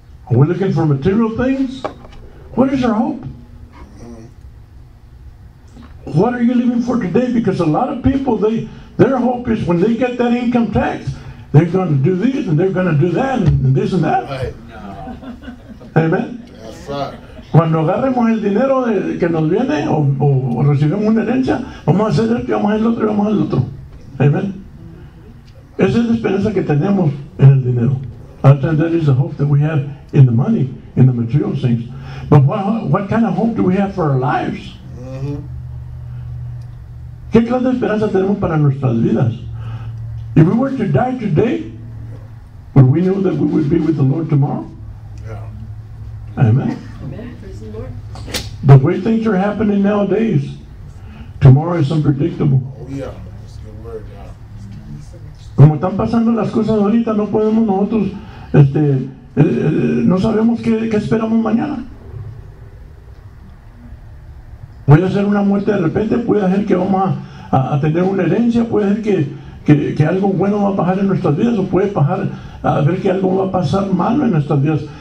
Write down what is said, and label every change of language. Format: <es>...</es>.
<en>Are we looking for material things? What is your hope? What are you living for today? Because a lot of people, their hope is when they get that income tax, they're going to do this and they're going to do that and this and that. Right. No. Amen. That's right.</en> <es>Cuando agarremos el dinero que nos viene o recibimos una herencia, vamos a hacer esto, vamos a hacer el otro, vamos a hacer el otro. Amen. Esa es la esperanza que tenemos en el dinero.</es> <en>Sometimes that is the hope that we have in the money, in the material things. But what kind of hope do we have for our lives?</en> <es>¿Qué clase de esperanza tenemos para nuestras vidas?</es> <en>If we were to die today, would we know that we would be with the Lord tomorrow? Yeah. Amen. Amen. Praise the Lord. The way things are happening nowadays, tomorrow is unpredictable. Oh, yeah. That's a good word, yeah.</en> <es>Como están pasando las cosas ahorita, no podemos nosotros, no sabemos qué esperamos mañana. Puede ser una muerte de repente, puede ser que vamos a tener una herencia, puede ser que algo bueno va a pasar en nuestras vidas, o puede pasar a ver que algo va a pasar malo en nuestras vidas.</es>